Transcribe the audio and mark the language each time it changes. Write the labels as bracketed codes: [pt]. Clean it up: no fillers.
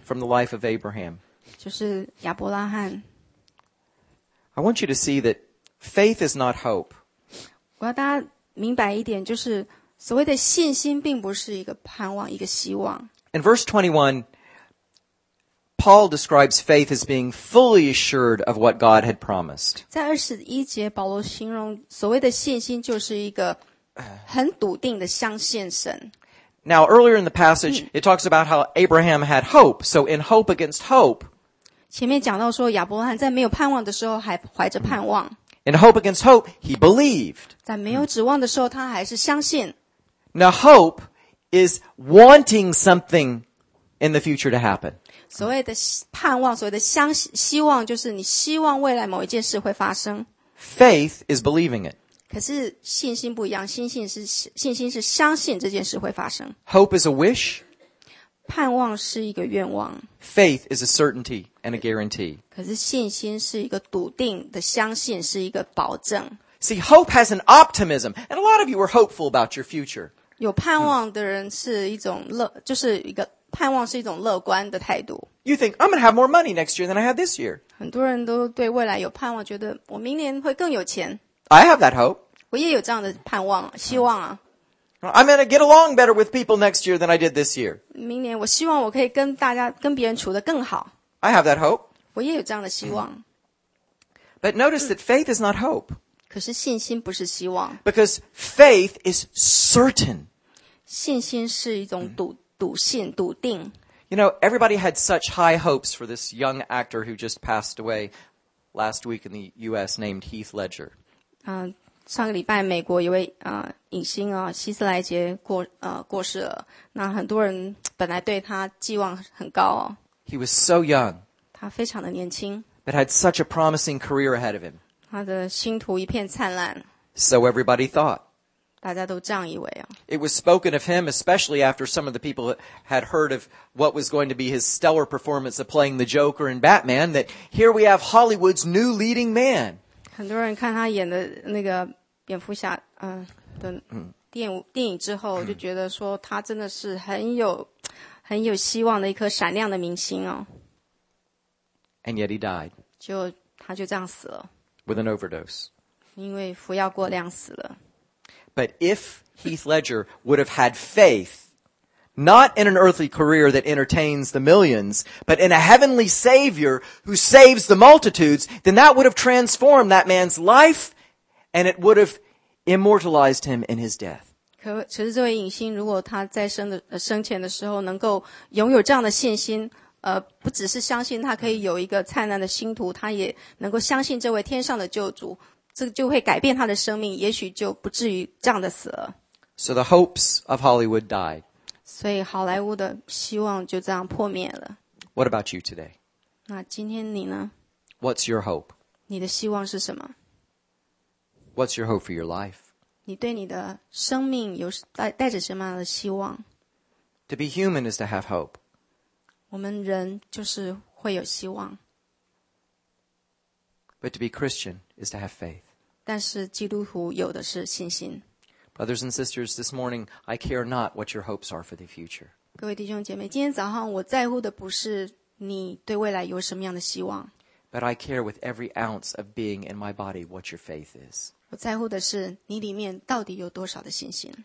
[en] From the life of Abraham. [zh] 就是亚伯拉罕。 [en] I want you to see that faith is not hope. [zh] 我要大家明白一点，就是所谓的信心并不是一个盼望，一个希望。 [en] In verse 21, Paul describes faith as being fully assured of what God had promised. [zh] 在21节，保罗形容所谓的信心就是一个很笃定的相信神。 [en] Now, earlier in the passage, it talks about how Abraham had hope. So in hope against hope, [zh] 前面讲到说亚伯拉罕在没有盼望的时候还怀着盼望。 [en] In hope against hope, he believed. [zh] 在没有指望的时候，他还是相信。 [en] Now hope is wanting something in the future to happen. [zh] 所谓的盼望，所谓的相信，希望就是你希望未来某一件事会发生。 [en] Faith is believing it. [zh] 可是信心不一样，信心是相信这件事会发生。 [en] Hope is a wish. [zh] 盼望是一个愿望。 [en] Faith is a certainty. And a guarantee. [zh] 可是信心是一个笃定的相信，是一个保证。 [en] See, hope has an optimism, and a lot of you are hopeful about your future. [zh] 有盼望的人是一种乐，就是一个盼望是一种乐观的态度。 [en] You think I'm going to have more money next year than I had this year. [zh] 很多人都对未来有盼望，觉得我明年会更有钱。 [en] I have that hope. [zh] 我也有这样的盼望，希望啊。 [en] I'm going to get along better with people next year than I did this year. [zh] 明年我希望我可以跟大家跟别人处得更好。 [en] I have that hope. [zh] 我也有这样的希望。 [en] But notice that faith is not hope. [zh] 可是信心不是希望。 [en] Because faith is certain. [zh] 信心是一种笃信、笃定。 [en] You know, everybody had such high hopes for this young actor who just passed away last week in the U.S. named Heath Ledger. [zh] 上个礼拜美国一位影星啊，希斯莱杰过世了。那很多人本来对他寄望很高哦。 [en] He was so young. [zh] 他非常的年轻。 [en] But had such a promising career ahead of him. [zh] 他的星途一片灿烂。 [en] So everybody thought. [zh] 大家都这样以为啊。 [en] It was spoken of him, especially after some of the people had heard of what was going to be his stellar performance of playing the Joker in Batman, that here we have Hollywood's new leading man. [zh] 很多人看他演的那个蝙蝠侠的电影之后，就觉得说他真的是很有希望的一颗闪亮的明星哦。 [en] And yet he died. [zh] 他就这样死了。 [en] With an overdose. [zh] 因为服药过量死了。 [en] But if Heath Ledger would have had faith, not in an earthly career that entertains the millions, but in a heavenly savior who saves the multitudes, then that would have transformed that man's life, and it would have immortalized him in his death. [zh] 可是这位影星如果他在生前的时候能够拥有这样的信心，不只是相信他可以有一个灿烂的星途，他也能够相信这位天上的救主，这就会改变他的生命，也许就不至于这样的死了。 [en] So the hopes of Hollywood died. [zh] 所以好莱坞的希望就这样破灭了。 [en] What about you today? [zh] 那今天你呢？ [en] What's your hope? [zh] 你的希望是什么？ [en] What's your hope for your life? [zh] 你对你的生命有带着什么样的希望 [en] ？To be human is to have hope. [zh] 我们人就是会有希望。 [en] But to be Christian is to have faith. [zh] 但是基督徒有的是信心。 [en] Brothers and sisters, this morning, I care not what your hopes are for the future. [zh] 各位弟兄姐妹，今天早上我在乎的不是你对未来有什么样的希望。 [en] But I care with every ounce of being in my body what your faith is. [zh] 我在乎的是你里面到底有多少的信心。